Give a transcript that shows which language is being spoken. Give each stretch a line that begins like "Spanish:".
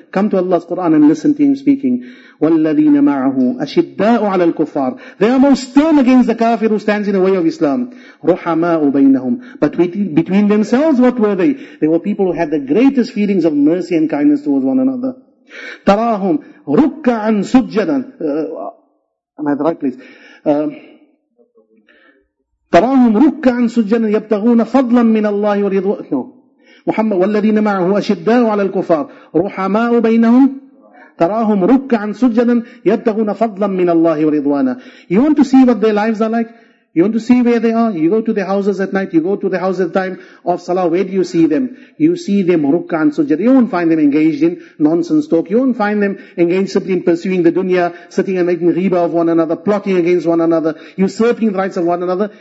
English: Come to Allah's Quran and listen to Him speaking.
Arabic: وَالَّذِينَ مَعَهُ أَشِدَّاءُ عَلَى الْكُفَّارِ
English: They are most stern against the kafir who stands in the way of Islam.
Arabic: رُحَمَاءُ بَيْنَهُمْ
English: But between themselves, what were they? They were people who had the greatest feelings of mercy and kindness towards one another.
Arabic: تَرَاهُمْ رُكَّعًا سُجَّدًا
English: Am I at the right place?
Arabic: تَرَاهُمْ رُكَّعًا سُجَّنًا يَبْتَغُونَ فَضْلًا مِّنَ اللَّهِ وَرِضْوَانًا مُحَمَّدٌ وَالَّذِينَ مَعَهُ أَشِدَّاءُ عَلَى الْكُفَّارِ رُحَمَاءُ بَيْنَهُمْ تَرَاهُمْ رُكَّعًا سُجَّنًا يَبْتَغُونَ فَضْلًا مِّنَ اللَّهِ وَرِضْوَانًا
English: You want to see what their lives are like? You want to see where they are? You go to their houses at night, you go to their houses at the time of Salah, where do you see them? You see them rukkan sujood. You won't find them engaged in nonsense talk. You won't find them engaged simply in pursuing the dunya, sitting and making riba of one another, plotting against one another, usurping the rights of one another.